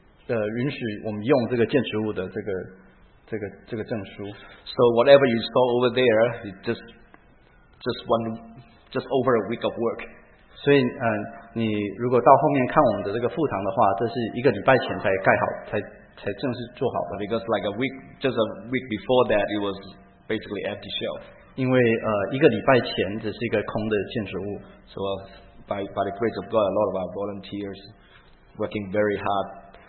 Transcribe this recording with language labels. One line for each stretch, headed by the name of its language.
Chinese: 允许我们用这个建筑物的这个证书。
English: So whatever you saw over there, it just over a week of work.
Chinese: 所以你如果到后面看我们的这个副堂的话，这是一个礼拜前才盖好，才正式做好的。
English: Because like a week, just a week before that, it was basically empty shelf.
Chinese: 因为一个礼拜前只是一个空的建筑物。
English: So by the grace of God, a lot of our volunteers working very hard.